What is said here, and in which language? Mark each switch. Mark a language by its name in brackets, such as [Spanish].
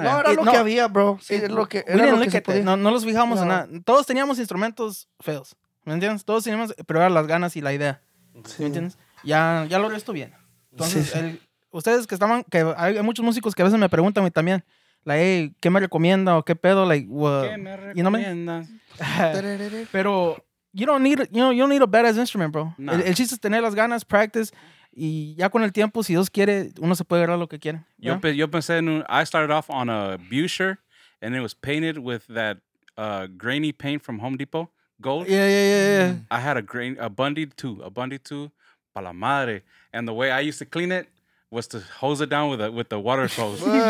[Spanish] No, era lo que había, bro. Sí, era lo que era. Lo que se podía. No los fijábamos en nada. Todos teníamos instrumentos feos. ¿Me entiendes? Todos teníamos, pero eran las ganas y la idea. Sí. ¿Me entiendes? Ya lo resto bien. Entonces, ustedes que estaban, que hay muchos músicos que a veces me preguntan a mí también. ¿Qué me recomienda o qué pedo? [English] Pero you don't need a badass instrument, bro. Nah. [Spanish] El chiste es tener las ganas, practice, y ya con el tiempo, si Dios quiere, uno se puede agarrar lo que quiere. Yo, yo pensé en [English] I started off on a Bucher, and it was painted with that grainy paint from Home Depot, gold. Yeah. I had a Bundy 2, [Spanish] para la madre. [English] And the way I used to clean it was to hose it down with the water hose.